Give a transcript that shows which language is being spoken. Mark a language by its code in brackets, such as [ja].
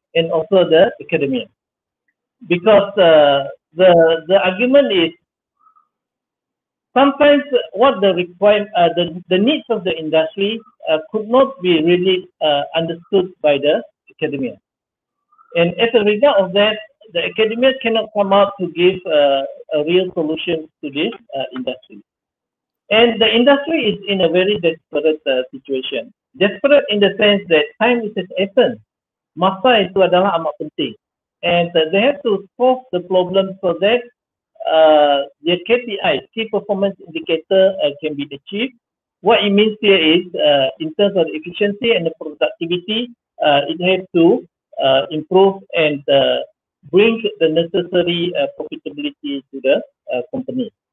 [en] and also the academia. Because the argument is sometimes what the requirement the needs of the industry could not be really understood by the academia, and as a result of that, the academia cannot come out to give a real solution to this industry. And the industry is in a very desperate situation. Desperate in the sense that time is at essence. [ms] Masa itu adalah amat penting. [en] And they have to solve the problem so that their KPI, key performance indicator, can be achieved. What it means here is, in terms of efficiency and the productivity, it has to improve and bring the necessary profitability to the company.